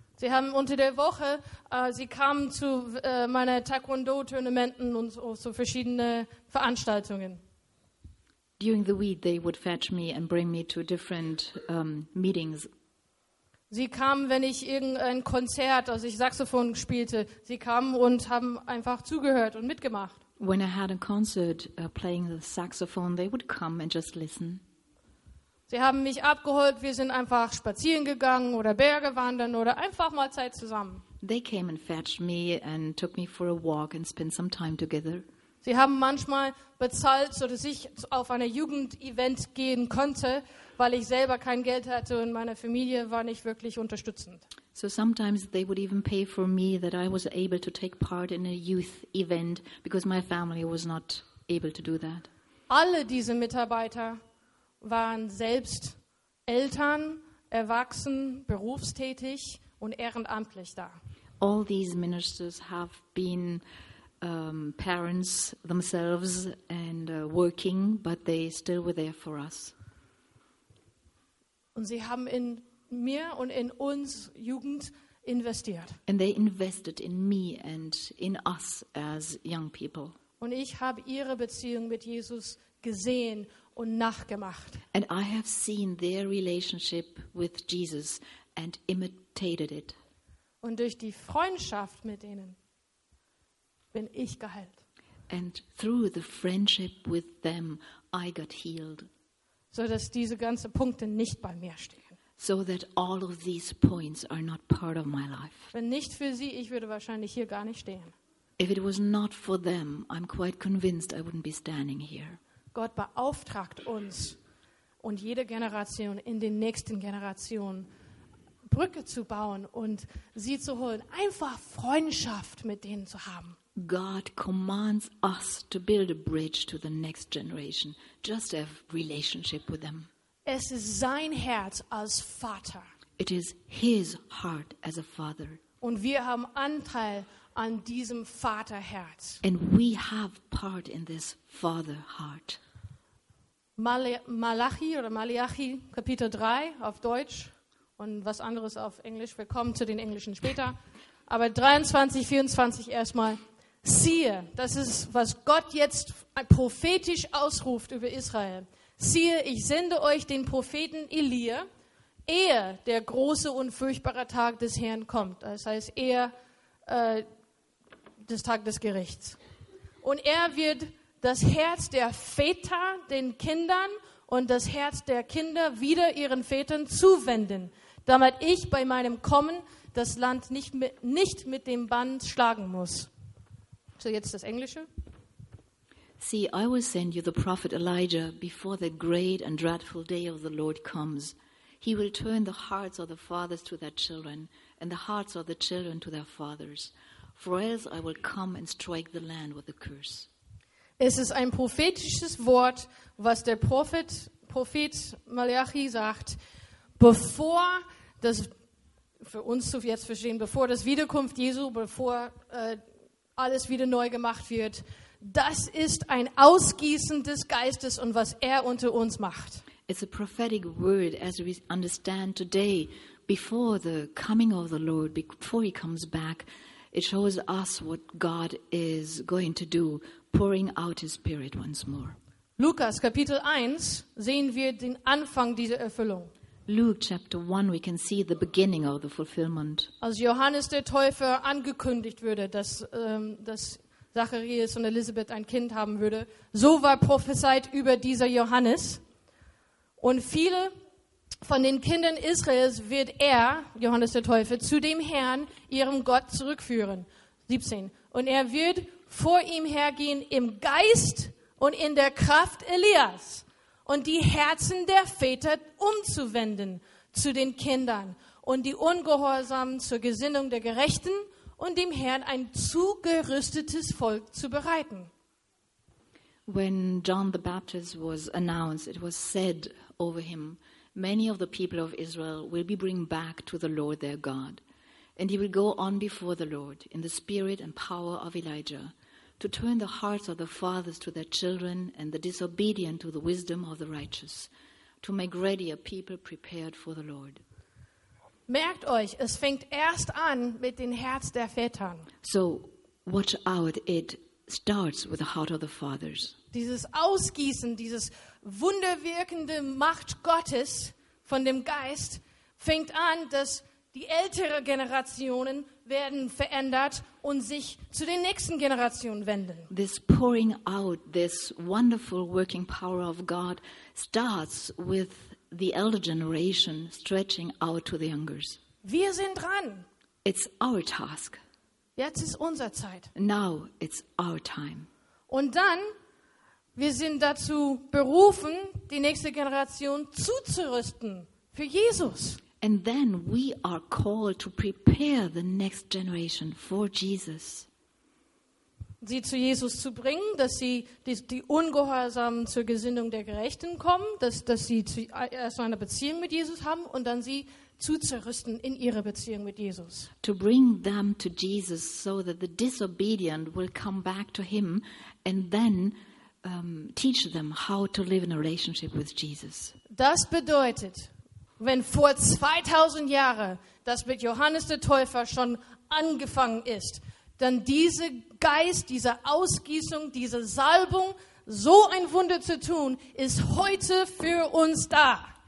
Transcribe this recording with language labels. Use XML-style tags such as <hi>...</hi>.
<de>Sie haben unter der Woche, sie kamen zu meiner Taekwondo-Tournamenten und so verschiedene Veranstaltungen.</de> <en>During the week they would fetch me and bring me to different meetings.</en> <de>Sie kamen, wenn ich irgendein Konzert, also ich Saxophon spielte, sie kamen und haben einfach zugehört und mitgemacht.</de> <en>When I had a concert playing the saxophone, they would come and just listen.</en> <de>Sie haben mich abgeholt, wir sind einfach spazieren gegangen oder Berge wandern oder einfach mal Zeit zusammen.</de> <en>They came and fetched me and took me for a walk and spent some time together.</en> <de>Sie haben manchmal bezahlt, sodass ich auf ein Jugendevent gehen konnte, weil ich selber kein Geld hatte und meine Familie war nicht wirklich unterstützend.</de> <en>So sometimes they would even pay for me that I was able to take part in a youth event because my family was not able to do that.</en> <de>Alle diese Mitarbeiter waren selbst Eltern, erwachsen, berufstätig und ehrenamtlich da.</de> <en>All these ministers have been parents themselves and working, but they still were there for us.</en> <de>Und sie haben in mir und in uns Jugend investiert.</de> <en>And they invested in me and in us as young people.</en> <de>Und ich habe ihre Beziehung mit Jesus gesehen und nachgemacht.</de> <en>And I have seen their relationship with Jesus and imitated it.</en> <de>Und durch die Freundschaft mit denen bin ich geheilt.</de> <en>And through the friendship with them I got healed.</en> <de>So dass diese ganzen Punkte nicht bei mir stehen.</de> <en>So that all of these points are not part of my life.</en> <de>Wenn nicht für sie, ich würde wahrscheinlich hier gar nicht stehen.</de> <en>If it was not for them, I'm quite convinced I wouldn't be standing here.</en> <de>Gott beauftragt uns und jede Generation in den nächsten Generationen Brücke zu bauen und sie zu holen, einfach Freundschaft mit denen zu haben.</de> <en>God commands us to build a bridge to the next generation, just to have relationship with them.</en> <de>Es ist sein Herz als Vater.</de> <en>It is his heart as a father.</en> <de>Und wir haben Anteil an diesem Vaterherz.</de> <en>And we have part in this father heart.</en> <de>Malachi oder Malachi Kapitel 3 auf Deutsch und was anderes auf Englisch. Wir kommen zu den Englischen später. Aber 23, 24 erstmal. Siehe, das ist, was Gott jetzt prophetisch ausruft über Israel. Siehe, ich sende euch den Propheten Elia, ehe der große und furchtbare Tag des Herrn kommt. Das heißt, ehe des Tag des Gerichts. Und er wird das Herz der Väter den Kindern und das Herz der Kinder wieder ihren Vätern zuwenden, damit ich bei meinem Kommen das Land nicht mit dem Band schlagen muss. So jetzt das Englische.</de> <en>See, I will send you the prophet Elijah before the great and dreadful day of the Lord comes. He will turn the hearts of the fathers to their children and the hearts of the children to their fathers. For else I will come and strike the land with a curse.</en> <de>Es ist ein prophetisches Wort, was der Prophet Malachi sagt, bevor das, für uns zu jetzt verstehen, bevor das Wiederkunft Jesu, bevor alles wieder neu gemacht wird, das ist ein Ausgießen des Geistes und was er unter uns macht.</de> <en>It's a prophetic word as we understand today, before the coming of the Lord, before he comes back, it shows us what God is going to do, pouring out his spirit once more.</en> <de>Lukas Kapitel 1 sehen wir den Anfang dieser Erfüllung.</de> <en>Luke chapter 1 we can see the beginning of the fulfillment.</en> <de>Als Johannes der Täufer angekündigt wurde, dass Zacharias und Elisabeth ein Kind haben würde, so war prophezeit über dieser Johannes und viele von den Kindern Israels wird er, Johannes der Täufer, zu dem Herrn, ihrem Gott, zurückführen. 17. Und er wird vor ihm hergehen im Geist und in der Kraft Elias, und die Herzen der Väter umzuwenden zu den Kindern und die Ungehorsamen zur Gesinnung der Gerechten und dem Herrn ein zugerüstetes Volk zu bereiten.</de> <en>When John the Baptist was announced, it was said over him, many of the people of Israel will be bring back to the Lord their God, and he will go on before the Lord in the spirit and power of Elijah to turn the hearts of the fathers to their children and the disobedient to the wisdom of the righteous, to make ready a people prepared for the Lord.</en> <de>Merkt euch, es fängt erst an mit dem Herz der Vätern.</de> <en>So watch out, it starts with the heart of the fathers.</en> <de>Dieses Ausgießen, dieses wunderwirkende Macht Gottes von dem Geist fängt an, dass die ältere Generationen werden verändert und sich zu den nächsten Generationen wenden.</de> <en>This pouring out, this wonderful working power of God starts with the elder generation stretching out to the youngers.</en> <de>Wir sind dran.</de> <en>It's our task.</en> <de>Jetzt ist unsere Zeit.</de> <en>Now it's our time.</en> <de>Und dann, wir sind dazu berufen, die nächste Generation zuzurüsten für Jesus.</de> <en>And then we are called to prepare the next generation for Jesus.</en> <de>Sie zu Jesus zu bringen, dass sie die Ungehorsamen zur Gesinnung der Gerechten kommen, dass sie erst eine Beziehung mit Jesus haben und dann sie zuzurüsten in ihre Beziehung mit Jesus.</de> <en>To bring them to Jesus so that the disobedient will come back to him and then teach them how to live in a relationship with Jesus.</en> <de>Das bedeutet, wenn vor 2000 Jahren das mit Johannes der Täufer schon angefangen ist, dann diese Geist, diese Ausgießung, diese Salbung, so ein Wunder zu tun, ist heute für uns da.</de>